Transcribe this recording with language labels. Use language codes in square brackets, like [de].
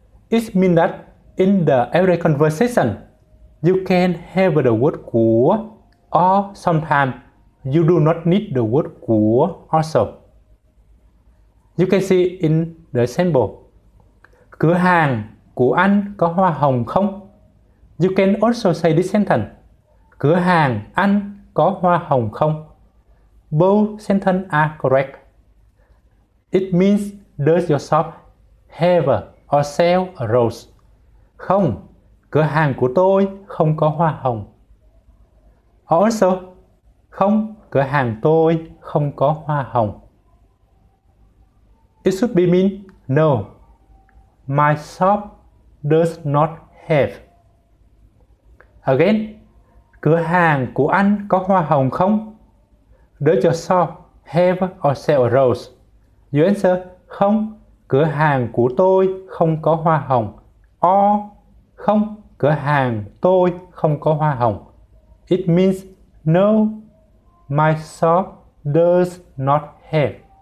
[en] It means that in the everyday conversation, you can have the word của or sometimes you do not need the word của also. You can see in the sample. [vi] Cửa hàng của anh có hoa hồng không? [en] You can also say this sentence. [vi] Cửa hàng anh có hoa hồng không? [en] Both sentences are correct. It means does your shop have or sell a rose? [vi] Không, cửa hàng của tôi không có hoa hồng. Also, không, cửa hàng tôi không có hoa hồng. [en] It should be mean no, my shop does not have. [vi] Again, cửa hàng của anh có hoa hồng không? [en] Does your shop have or sell a rose? You answer, [vi] không, cửa hàng của tôi không có hoa hồng. Or, không, cửa hàng tôi không có hoa hồng. [en] It means, no, my shop does not have.